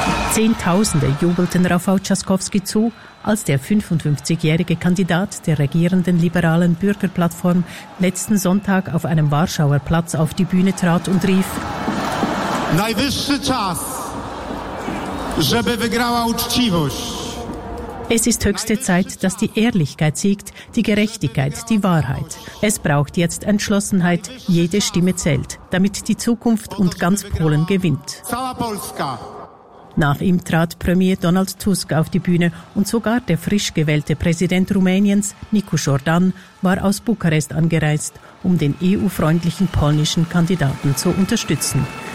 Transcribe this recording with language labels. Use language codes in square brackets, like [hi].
[de] Zehntausende jubelten Rafał Trzaskowski zu, als der 55-jährige Kandidat der regierenden liberalen Bürgerplattform letzten Sonntag auf einem Warschauer Platz auf die Bühne trat und rief: [pl] Najwyższy czas! żeby wygrała uczciwość. [de] Es ist höchste Zeit, dass die Ehrlichkeit siegt, die Gerechtigkeit, die Wahrheit. Es braucht jetzt Entschlossenheit, jede Stimme zählt, damit die Zukunft und ganz Polen gewinnt. Nach ihm trat Premier Donald Tusk auf die Bühne und sogar der frisch gewählte Präsident Rumäniens, Nikos Jordan, war aus Bukarest angereist, um den EU-freundlichen polnischen Kandidaten zu unterstützen.